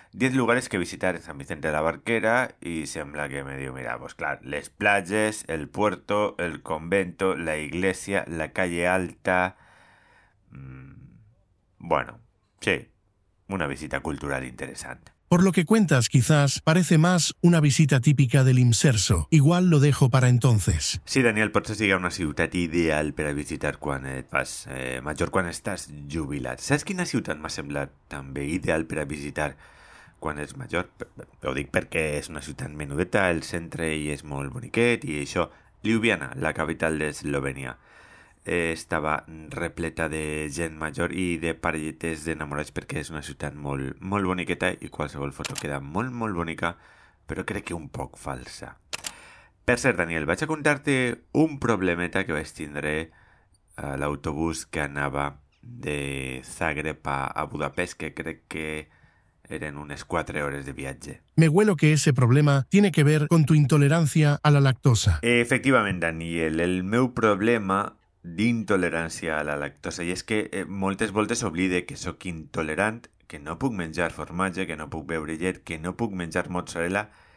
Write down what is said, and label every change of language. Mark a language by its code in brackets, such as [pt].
[es] 10 lugares que visitar en San Vicente de la Barquera y sembla que me dio, mira, pues claro, les playes, el puerto, el convento, la iglesia, la calle alta. Bueno, sí, una visita cultural interesante. Por lo que cuentas, quizás parece más una visita típica del Imserso. Igual lo dejo para entonces. [ca] Sí, Daniel, potser sigui una ciutat ideal per a visitar quan et fas major, quan estàs jubilat. Saps quina ciutat m'ha semblat també ideal per a visitar quan ets major? Ho dic perquè és una ciutat menudeta, el centre hi és molt boniquet i això. Ljubljana, la capital d'Eslovènia. Estava repleta de gent major i de parelletes d'enamorats perquè és una ciutat molt, molt boniqueta i qualsevol foto queda molt, molt bonica, però crec que un poc falsa. Per cert, Daniel, vaig a contar-te un problemeta que vaig tindre a l'autobús que anava de Zagreb a Budapest, que crec que eran unas 4 horas de viaje. [es] Me huelo que ese problema tiene que ver con tu intolerancia a la lactosa. [ca] Efectivamente, Daniel, el meu problema d'intolerància a la lactosa. I és que moltes voltes oblide que sóc intolerant, que no puc menjar formatge, que no puc beure llet, que no puc menjar mozzarella.